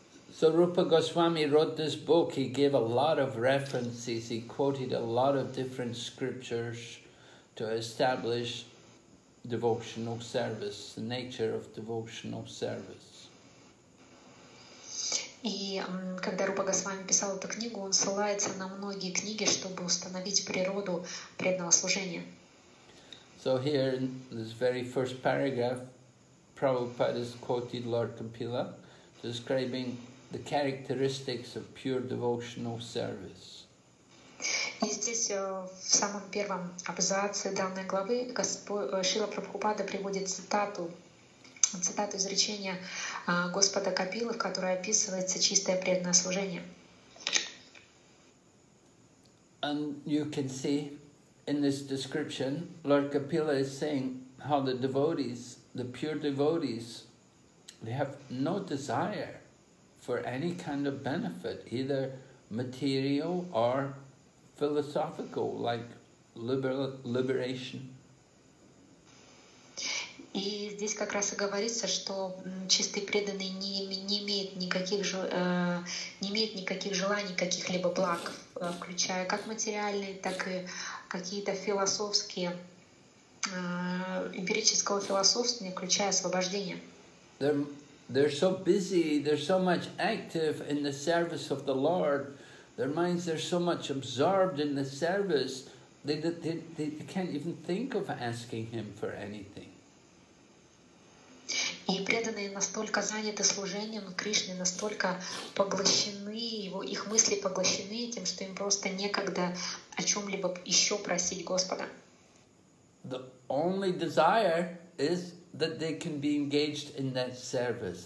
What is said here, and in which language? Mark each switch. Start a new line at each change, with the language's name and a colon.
English: So Rupa Goswami wrote this book, he gave a lot of references, he quoted a lot of different scriptures to establish devotional service, the nature of devotional service.
Russian: И когда Рупа Госвами писал эту книгу, он ссылается на многие книги, чтобы установить природу преданного служения.
English: So here in this very first paragraph, Prabhupada has quoted Lord Kapila, describing the characteristics of pure devotional service.
Russian: И здесь в самом первом абзаце данной главы Шрила Прабхупада приводит цитату изречения Господа Капилы, в которой описывается чистое преданное служение.
English: And you can see in this description, Lord Kapila is saying how the devotees, the pure devotees, they have no desire for any kind of benefit, either material or philosophical, like liberation.
Russian: И здесь как раз и говорится, что чистый преданный не имеет никаких желаний, каких-либо благ, включая как материальные, так и какие-то философские, эмпирического философства, не включая освобождение.
English: They're so busy, they're so much active in the service of the Lord. Their minds are so much absorbed in the service, they can't even think of asking him for anything.
Russian: И преданные настолько заняты служением Кришне, настолько поглощены его, их мысли поглощены этим, что им просто некогда о чем-либо еще просить Господа.
English: The only desire is that they can be engaged in that service.